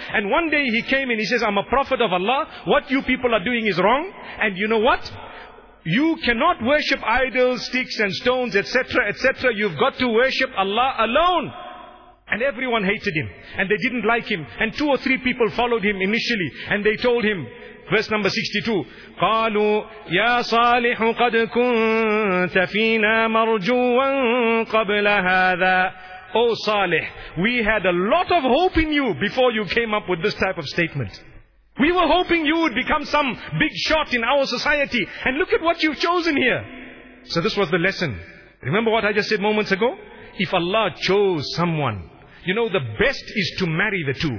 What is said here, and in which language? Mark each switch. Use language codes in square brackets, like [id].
[en] And one day he came and he says, I'm a prophet of Allah. What you people are doing is wrong. And you know what? You cannot worship idols, sticks and stones, etc., etc. You've got to worship Allah alone. And everyone hated him. And they didn't like him. And two or three people followed him initially. And they told him, verse number 62, [ar] قَالُوا يَا صَالِحُ قَدْ كُنْتَ فِينَا مَرْجُوًا قَبْلَ هَذَا. [en] O Salih, we had a lot of hope in you before you came up with this type of statement. We were hoping you would become some big shot in our society. And look at what you've chosen here. So this was the lesson. Remember what I just said moments ago? If Allah chose someone, you know, the best is to marry the two.